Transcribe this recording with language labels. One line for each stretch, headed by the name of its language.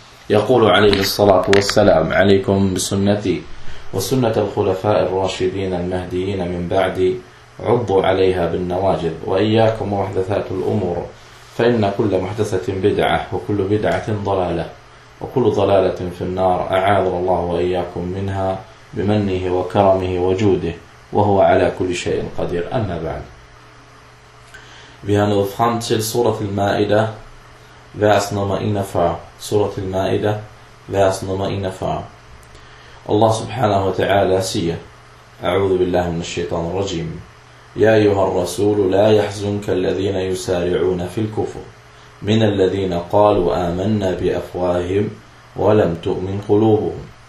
Arabic: يقول عليه الصلاة والسلام: عليكم بسنتي وسنة الخلفاء الراشدين المهديين من بعدي عضوا عليها بالنواجذ وإياكم محدثات الأمور فإن كل محدثة بدعة وكل بدعة ضلالة وكل ضلالة في النار أعاذ الله وإياكم منها بمنه وكرمه وجوده وهو على كل شيء قدير. أما بعد,
Danish: vi har nået frem til سورة المائدة vers nummer 41. سورة المائدة vers nummer 41.
Arabic: الله سبحانه وتعالى سيئ أعوذ بالله من الشيطان الرجيم: يا أيها الرسول لا يحزنك الذين يسارعون في الكفر من الذين قالوا آمنا بأفواههم ولم تؤمن قلوبهم.